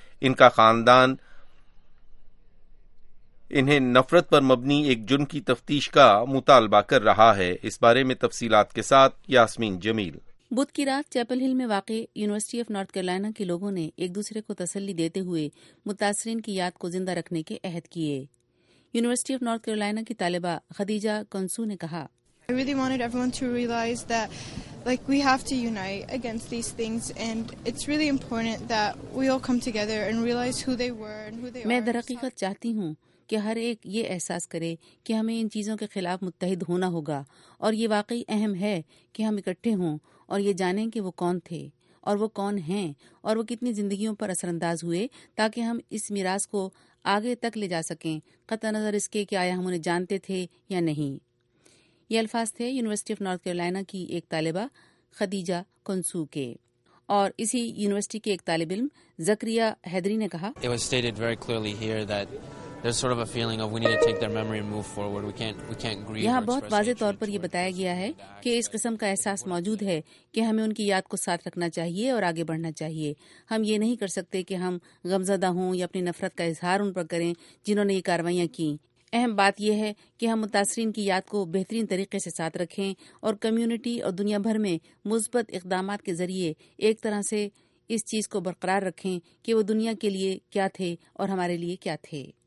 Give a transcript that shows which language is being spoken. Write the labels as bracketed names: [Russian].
[Urdu] ان کا خاندان انہیں نفرت پر مبنی ایک جرم کی تفتیش کا مطالبہ کر رہا ہے. اس بارے میں تفصیلات کے ساتھ یاسمین جمیل. بدھ کی رات چیپل ہل میں واقع یونیورسٹی آف نارتھ کیرولائنا کے لوگوں نے ایک دوسرے کو تسلی دیتے ہوئے متاثرین کی یاد کو زندہ رکھنے کے عہد کیے. یونیورسٹی آف نارتھ کیرولائنا کی طالبہ خدیجہ کنسو نے کہا, [English] I really wanted everyone to realize that like we have to unite against these things and it's really important that we all come together and realize who they were and who they are. [Urdu] میں درحقیقت چاہتی ہوں کہ ہر ایک یہ احساس کرے کہ ہمیں ان چیزوں کے خلاف متحد ہونا ہوگا, اور یہ واقعی اہم ہے کہ ہم اکٹھے ہوں اور یہ جانیں کہ وہ کون تھے اور وہ کون ہیں اور وہ کتنی زندگیوں پر اثر انداز ہوئے, تاکہ ہم اس میراث کو آگے تک لے جا سکیں قطع نظر اس کے کہ آیا ہم انہیں جانتے تھے یا نہیں. یہ الفاظ تھے یونیورسٹی آف نارتھ کیرولائنا کی ایک طالبہ خدیجہ کنسو کے. اور اسی یونیورسٹی کے ایک طالب علم زکریا حیدری نے کہا, [English] It was stated very clearly here that there's sort of a feeling of we need to take their memory and move forward. We can't grieve. [Urdu] یہاں بہت واضح طور پر یہ بتایا گیا ہے کہ اس قسم کا احساس موجود ہے کہ ہمیں ان کی یاد کو ساتھ رکھنا چاہیے اور آگے بڑھنا چاہیے. ہم یہ نہیں کر سکتے کہ ہم غمزدہ ہوں یا اپنی نفرت کا اظہار ان پر کریں جنہوں نے یہ کاروائیاں کی. اہم بات یہ ہے کہ ہم متاثرین کی یاد کو بہترین طریقے سے ساتھ رکھیں اور کمیونٹی اور دنیا بھر میں مثبت اقدامات کے ذریعے ایک طرح سے اس چیز کو برقرار رکھیں کہ وہ دنیا کے لیے کیا تھے اور ہمارے لیے کیا تھے.